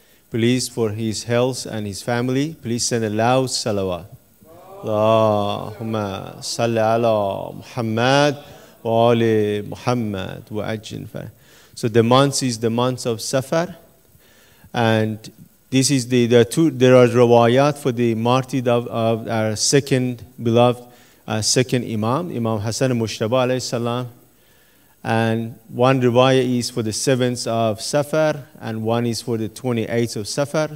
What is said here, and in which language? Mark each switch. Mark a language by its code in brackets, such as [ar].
[en] Please, for his health and his family, please send a loud salawat. [ar] اللهم صل على محمد وآل محمد وعجل فرح. [en] So the months is the months of Safar, and this is there are rawayat for the martyrdom of our second beloved, second Imam Hasan al-Mushtaba alayhi salam. And one riwayah is for the 7th of Safar, and one is for the 28th of Safar.